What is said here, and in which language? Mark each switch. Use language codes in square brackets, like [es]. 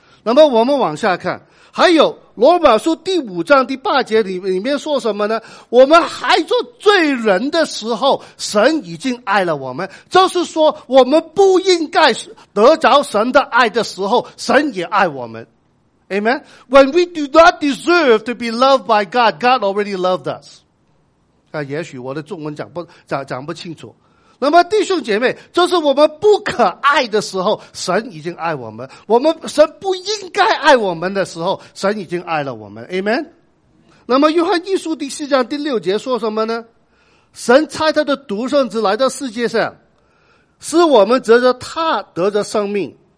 [zh] 那么我们往下看，还有罗马书第五章第八节里面说什么呢？我们还做罪人的时候，神已经爱了我们，就是说我们不应该得着神的爱的时候，神也爱我们。 [en] Amen. When we do not deserve to be loved by God, God already loved us. [zh] 啊，也许我的中文讲不清楚。那么弟兄姐妹，就是我们不可爱的时候，神已经爱我们；我们神不应该爱我们的时候，神已经爱了我们。 [en] Amen. [zh] 那么约翰一书第四章第六节说什么呢？神差他的独生子来到世界上，使我们得着他得着生命。